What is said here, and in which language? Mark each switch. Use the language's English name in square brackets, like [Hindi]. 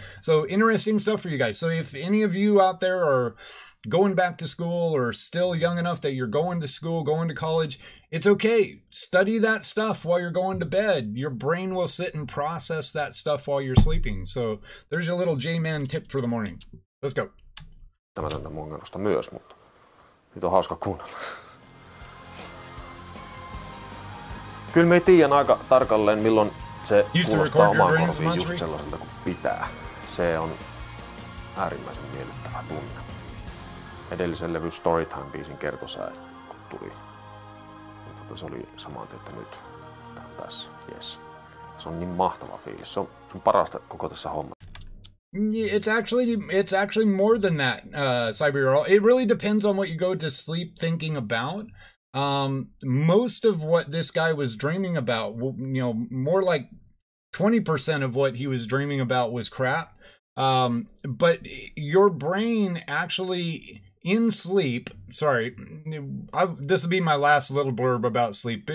[English] So interesting stuff for you guys. So if any of you out there are going back to school or still young enough that you're going to school, going to college, it's okay. Study that stuff while you're going to bed. Your brain will sit and process that stuff while you're sleeping. So there's your little J-Man tip for the morning. Let's go. [Finnish] Tämä on mun mielestä myös, mutta nyt on hauska kuunnella. Kyllä me ei tiedä aika tarkalleen, milloin se kuulostaa omaan korviin just sellaiselta kuin pitää. Se on äärimmäisen miellyttävä tunne. Edellisen levy Storytime-biisin kertosää, kun tuli. Mutta se oli samaan tietä nyt tässä. Yes. Se on niin mahtava fiilis. Se on parasta koko tässä homma. [English] It's actually more than that, Cyberall. It really depends on what you go to sleep thinking about. Most of what this guy was dreaming about, you know, more like 20% of what he was dreaming about was crap. But your brain actually in sleep, sorry, this will be my last little blurb about sleep.